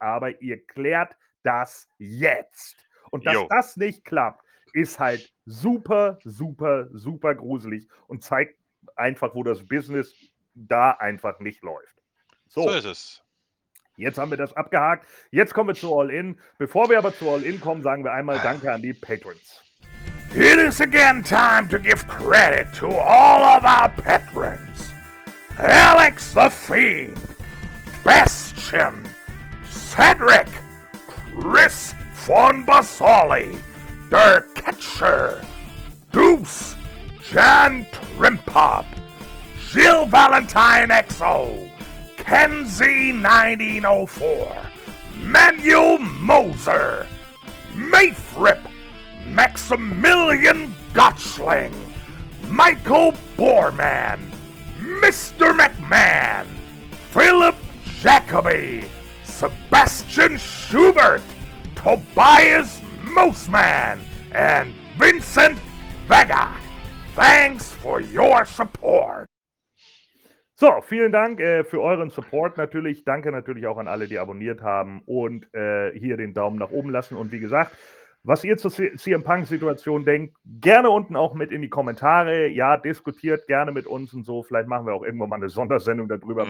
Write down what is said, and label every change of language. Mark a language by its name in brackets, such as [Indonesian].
[German] Aber ihr klärt das jetzt. Und dass das nicht klappt, ist halt super, super, super gruselig und zeigt einfach, wo das Business da einfach nicht läuft. So, so ist es. Jetzt haben wir das abgehakt. Jetzt kommen wir zu All-In. Bevor wir aber zu All-In kommen, sagen wir einmal Danke an die Patrons. [English] It is again time to give credit to all of our patrons. Alex the Fiend, Bastion, Cedric, Chris von Basali, Der Ketcher, Deuce, Jan Trimpop, Jill Valentine XO, Kenzie 1904, Manuel Moser, Mayfrip, Maximilian Gotchling, Michael Boorman, Mr. McMahon, Philip Jacoby, Sebastian Schubert, Tobias Moseman, and Vincent Vega. Thanks for your support. [German] So, vielen Dank für euren Support natürlich. Danke natürlich auch an alle, die abonniert haben und hier den Daumen nach oben lassen. Und wie gesagt, was ihr zur CM Punk-Situation denkt, gerne unten auch mit in die Kommentare. Ja, diskutiert gerne mit uns und so. Vielleicht machen wir auch irgendwann mal eine Sondersendung darüber. Mhm.